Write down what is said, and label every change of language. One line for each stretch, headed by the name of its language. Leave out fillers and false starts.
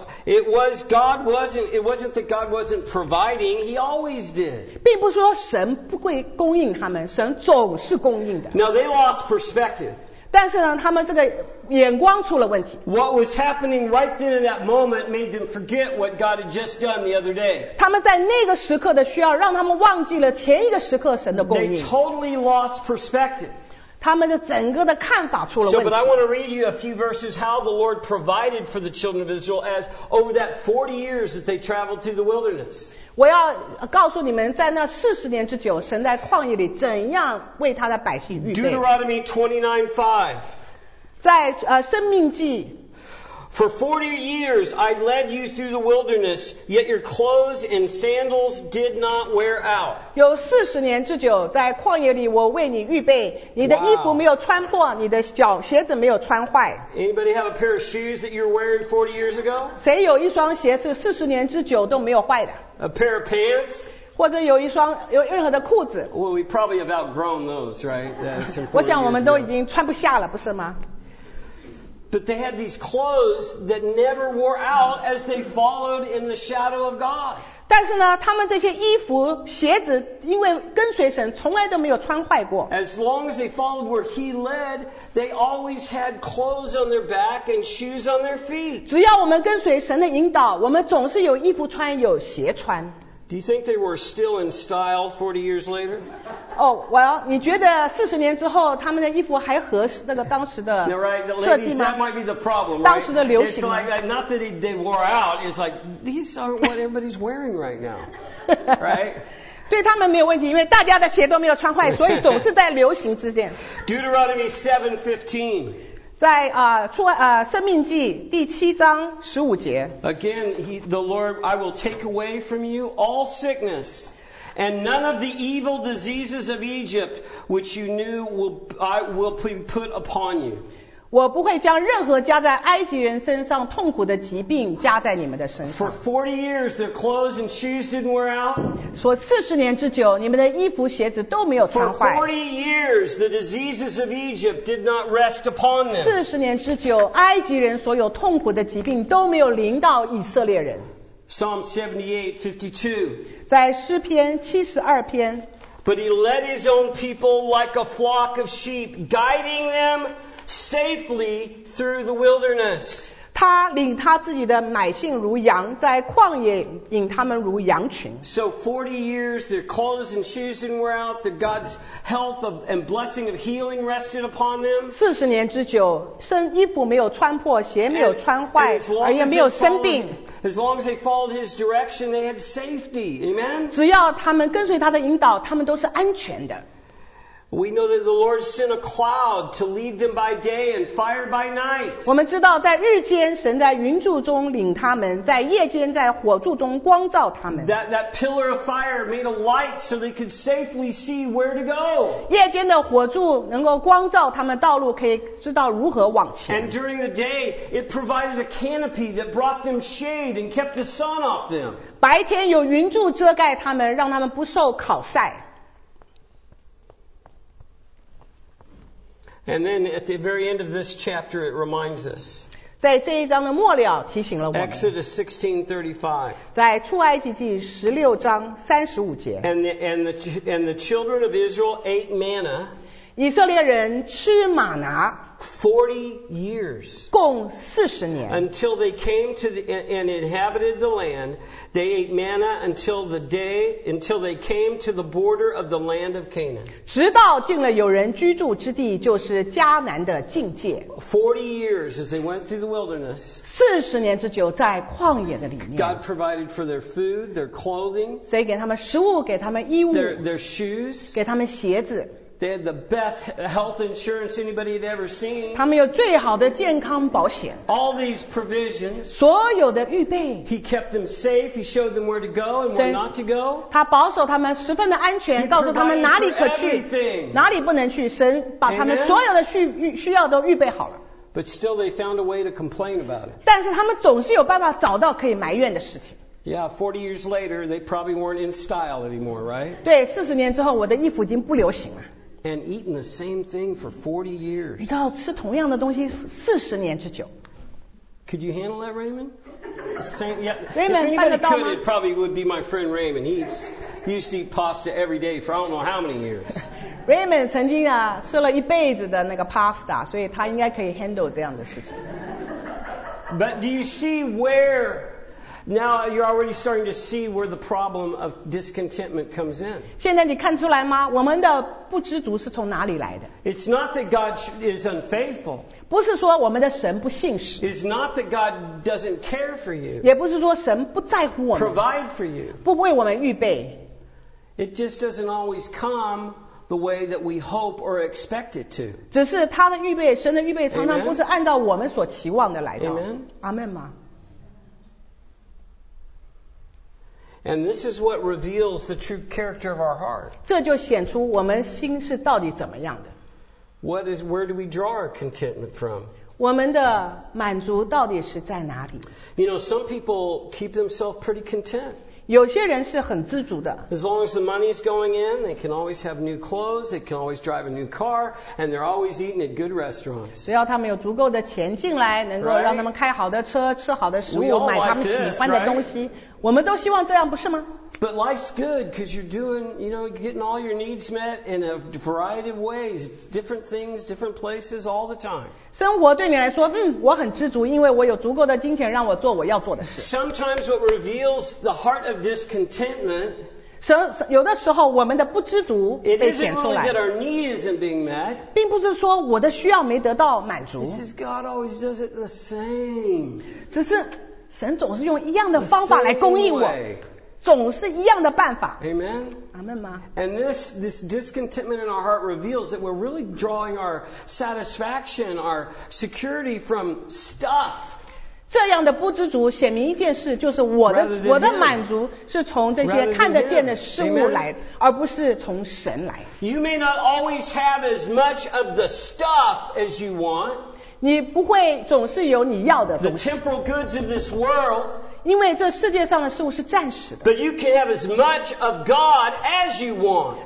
English: It wasn't that God wasn't providing, he always did.
Chinese: 并不说神不会供应他们，神总是供应的。
English: Now they lost perspective.
Chinese: 但是呢，他们这个眼光出了问题。
English: What was happening right then in that moment made them forget what God had just done the other day.
Chinese: 他们在那个时刻的需要让他们忘记了前一个时刻神的供应。
English: They totally lost perspective.
Chinese: 他们的整个的看法出了问题。
English: So, but I want to read you a few verses how the Lord provided for the children of Israel as over that 40 years that they traveled through the wilderness.
Chinese: 我要告诉你们，在那四十年之久，神在旷野里怎样为他的百姓预备。
English: Deuteronomy 29:5.
Chinese: 在生命记。
English: For 40 years I led you through the wilderness, yet your clothes and sandals did not wear out.
Chinese: 有40年之久在旷野里我为你预备，你的衣服没有穿破，你的脚鞋子没有穿坏。
English: Anybody have a pair of shoes that you were wearing 40 years ago?
Chinese: 谁有一双鞋是40年之久都没有坏的？
English: A pair of pants?
Chinese: 或者有一双有任何的裤子。
English: Well, we probably have outgrown those, right?
Chinese: 我想我们都已经穿不下了，不是吗？
English: But they had these clothes that never wore out as they followed in the shadow of God.
Chinese: 但是呢，他们这些衣服、鞋子，因为跟随神，从来都没有穿坏过。
English: As long as they followed where He led, they always had clothes on their back and shoes on their feet.
Chinese: 只要我们跟随神的引导，我们总是有衣服穿，有鞋穿。
English: Do you think they were still in style 40 years later? Oh, well,
Chinese: 你觉得40年之后他们的衣服还合适那个当时的设计吗?
English: Now, right, the ladies, that might be the problem, right?
Chinese: 当时的流行吗?
English: It's like, not that they wore out, it's like, these aren't what everybody's wearing right now, right?
Chinese: 对他们没有问题，因为大家的鞋都没有穿坏，所以总是在流行之间。
English: Deuteronomy 7:15.
Chinese: 在生命记第七章十五节。
English: Again, the Lord, I will take away from you all sickness, and none of the evil diseases of Egypt which you knew will be put upon you.
Chinese: 我不会将任何加在埃及人身上痛苦的疾病加在你们的身上。
English: For 40 years, their clothes and shoes didn't wear out.
Chinese: 说40年之久，你们的衣服鞋子都没有穿坏。
English: For 40 years, the diseases of Egypt did not rest upon them.
Chinese: 40年之久，埃及人所有痛苦的疾病都没有临到以色列人。
English: Psalm 78:52.
Chinese: 在诗篇72篇。
English: But he led his own people like a flock of sheep, guiding them. Safely through the wilderness.
Chinese: 他领他自己的百姓如羊，在旷野引他们如羊群。
English: So 40 years, their clothes and shoes didn't wear out. The God's health of, and blessing of healing rested upon them.
Chinese: 40年之久，身衣服没有穿破，鞋没有穿坏，而也没有生病。
English: As long as they followed His direction, they had safety. Amen.
Chinese: 只要他们跟随他的引导，他们都是安全的。
English: We know that the Lord sent a cloud to lead them by day and fire by night.
Chinese: 我们知道在日间神在云柱中领他们，在夜间在火柱中光照他们。
English: That pillar of fire made a light so they could safely see where to go.
Chinese: 夜间的火柱能够光照他们道路，可以知道如何往前。
English: And during the day, it provided a canopy that brought them shade and kept the sun off them.
Chinese: 白天有云柱遮盖他们，让他们不受烤晒。
English: And then at the very end of this chapter, it reminds us.
Chinese: 在这一章的末了提醒了我们。
English: Exodus 16:35.
Chinese: 在出埃及记十六章三十五节。
English: And the children of Israel ate manna.
Chinese: 以色列人吃玛拿。
English: 40 years.
Chinese: 共四十年。
English: Until they came to the, and inhabited the land, they ate manna until they came to the border of the land of Canaan.
Chinese: 直到进了有人居住之地，就是迦南的境界。
English: 40 years as they went through the wilderness.
Chinese: 四十年之久在旷野的里面。
English: God provided for their food, their clothing.
Chinese: 谁给他们食物，给他们衣物。
English: Their shoes.
Chinese: 给他们鞋子。
English: They had the best health insurance anybody had ever seen.
Chinese: 他们有最好的健康保险。
English: All these provisions.
Chinese: 所有的预备。
English: He kept them safe. He showed them where to go and where not to go.
Chinese: 他保守他们十分的安全，告诉他们哪里可去，哪里不能去。神把他们所有的需要都预备好了。
English: But still, they found a way to complain about it.
Chinese: 但是他们总是有办法找到可以埋怨的事情。
English: Yeah, 40 years later, they probably weren't in style anymore, right?
Chinese: 对，四十年之后，我的衣服已经不流行了。
English: And eating the same thing for 40 years.
Chinese: 你知道吃同样的东西四十年之久。
English: Could you handle that, Raymond? Same, yeah. Raymond, if anybody could, it probably would be my friend Raymond. He used to eat pasta every day for I don't know how many years.
Chinese: Raymond 曾经啊吃了一辈子的那个 pasta, 所以他应该可以 handle 这样的事情。
English: But do you see where? Now you're already starting to see where the problem of discontentment comes in.
Chinese: 现在你看出来吗？我们的不知足是从哪里来的？
English: It's not that God is unfaithful.
Chinese: 不是说我们的神不信实。
English: It's not that God doesn't care for you.
Chinese: 也不是说神不在乎我们。
English: Provide for you.
Chinese: 不为我们预备。
English: It just doesn't always come the way that we hope or expect it to.
Chinese: 只是他的预备，神的预备常常不是按照我们所期望的来到。
English: Amen. Amen. And this is what reveals the true character of our heart.
Chinese: 这就显出我们心是到底怎么样的。
English: What is, where do we draw our contentment from?
Chinese: 我们的满足到底是在哪里？
English: You know, some people keep themselves pretty content.
Chinese: 有些人是很知足的。
English: As long as the money is going in, they can always have new clothes, they can always drive a new car, and they're always eating at good restaurants.
Chinese: 只要他们有足够的钱进来，能够让他们开好的车，吃好的食物，买他们喜欢的东西，我们都希望这样，不是吗？
English: But life's good because you're doing, you know, getting all your needs met in a variety of ways, different things, different places, all the time.
Chinese: 生活对你来说，我很知足，因为我有足够的金钱让我做我要做的事。
English: Sometimes what reveals the heart of discontentment.
Chinese: 有的时候我们的不知足被显出来。
English: It isn't only that our need isn't being met.
Chinese: 并不是说我的需要没得到满足。
English: This is God always does it the same.
Chinese: 只是神总是用一样的方法来供应我。总是一样的办法。
English: Amen. Amen. And this discontentment in our heart reveals that we're really drawing our satisfaction, our security from stuff.
Chinese: 这样的不知足显明一件事，就是我的满足是从这些看得见的事物来，而不是从神来。
English: You may not always have as much of the stuff as you want.
Chinese: 你不会总是有你要的东西。
English: The temporal goods of this world.
Chinese: 因为这世界上的事物是暂时的。
English: But you can have as much of God as you want.